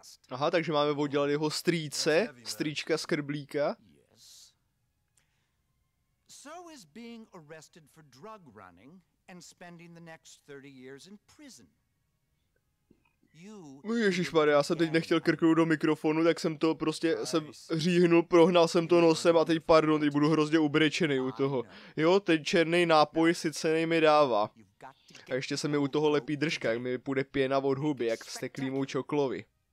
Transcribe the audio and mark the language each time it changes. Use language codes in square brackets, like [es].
[cs] Aha, takže máme oddělat jeho strýce, strýčka skrblíka. [en] So is being arrested for drug running and spending the next 30 years in prison. [cs] Ježišmarja, já jsem teď nechtěl krknout do mikrofonu, tak jsem to prostě, jsem hříhnul, prohnal jsem to nosem a teď pardon, teď budu hrozně ubrečený u toho. Jo, ten černý nápoj sice nej mi dává. A ještě se mi u toho lepí držka, jak mi půjde pěna od huby, jak vzteklýmu čoklovi.